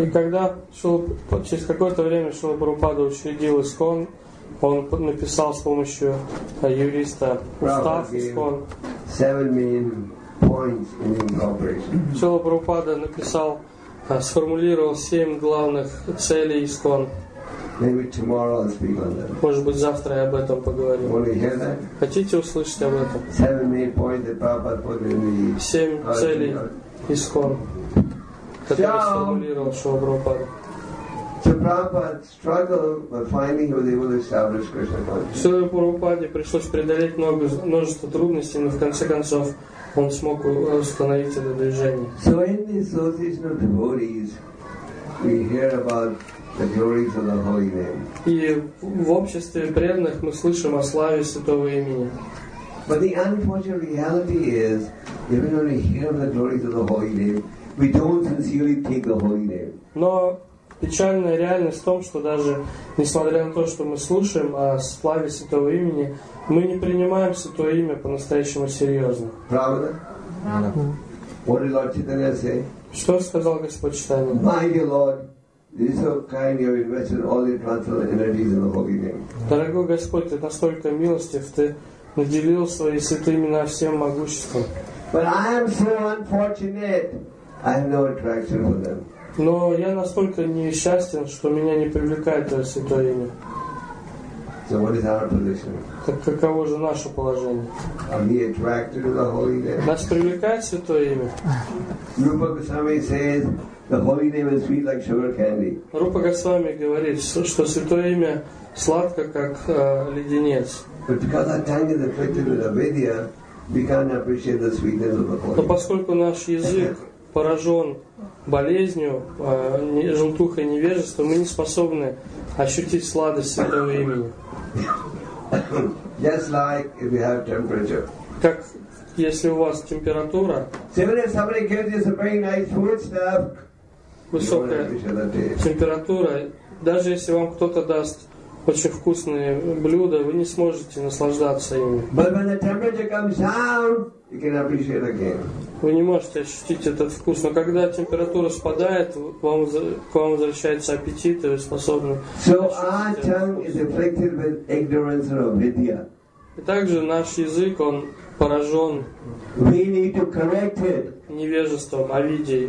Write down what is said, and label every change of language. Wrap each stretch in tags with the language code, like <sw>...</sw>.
<ru>И когда через какое-то время Шрила Прабхупада учредил ИСКОН, он написал с помощью юриста устав ИСКОН.</ru> <en>7 main points in incorporation.</en> <ru>Шрила Прабхупада написал, сформулировал 7 главных целей ИСКОН.</ru> <en>Maybe tomorrow I'll speak on them.</en> <ru>Может быть, завтра я об этом поговорю.</ru> <en>Want to hear that?</en> <ru>Хотите услышать об этом?</ru> <en>7 main points that Prabhupada put in the ISKCON.</en> <ru>7 целей. ИСКОН, который сформулировал Шрила Прабхупада.</ru> <en>So Prabhupada struggled, but finally he was able to establish Krishna consciousness.</en> <ru>Шрила Прабхупаде пришлось преодолеть множество трудностей, но в конце концов он смог установить это движение.</ru> <en>So in the association of devotees, we hear about the glories of the holy name.</en> <ru>И в обществе преданных мы слышим о славе святого имени.</ru> <en>But the unfortunate reality is, even when we hear the glories of the holy name, we don't sincerely take the holy name.</en> <ru>Но печальная реальность в том, что даже несмотря на то, что мы слушаем о славе святого имени, мы не принимаем святое имя по-настоящему серьезно. Правда? Правда.</ru> <en>What did Lord Chaitanya say?</en> <ru>Что сказал Господь Чайтанья?</ru> <en>My dear Lord, this is so kind. You have invested all your transcendental energies in the holy name.</en> <ru>Дорогой Господь, ты настолько милостив, ты наделил свои святые имена всем могуществом.</ru> <en>But I am so unfortunate. I have no attraction for them.</en> <ru>Но я настолько несчастен, что меня не привлекает это святое имя.</ru> <en>So what is our position?</en> <ru>Так каково же наше положение?</ru> <en>Are we attracted to the holy name?</en> <ru>Нас привлекает святое имя?</ru> <en>Rupa Goswami says the holy name is sweet like sugar candy.</en> <ru>Рупа Госвами говорит, что святое имя сладко, как леденец.</ru> <en>But because our tongue is affected with avidya, we can't appreciate the sweetness of the holy name.</en> <ru>Но поскольку наш язык поражен болезнью, желтухой невежества, мы не способны ощутить сладость святого имени.</ru> <en>Just like if you have temperature.</en> <ru>Как если у вас температура.</ru> <en>Even if somebody gives you some very nice food stuff,</en> <ru>высокая температура. Даже если вам кто-то даст очень вкусные блюда, вы не сможете наслаждаться ими.</ru> <en>But when the temperature comes down, you can appreciate it again.</en> <ru>Вы не можете ощутить этот вкус, но когда температура спадает, к вам возвращается аппетит, и вы способны ощутить. И также наш язык, он поражен невежеством, авидьей.</ru>